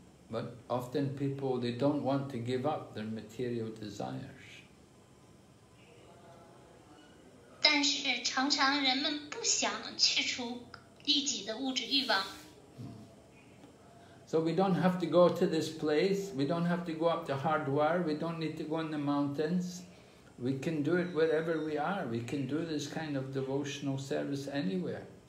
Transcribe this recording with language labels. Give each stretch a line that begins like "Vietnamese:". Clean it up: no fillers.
English: But often people, they don't want to give up their material desires.
Chinese: 但是常常人们不想去除自己的物质欲望。
English: So we don't have to go to this place, we don't have to go up to Hardwar, we don't need to go in the mountains. We can do it wherever we are, we can do this kind of devotional service anywhere.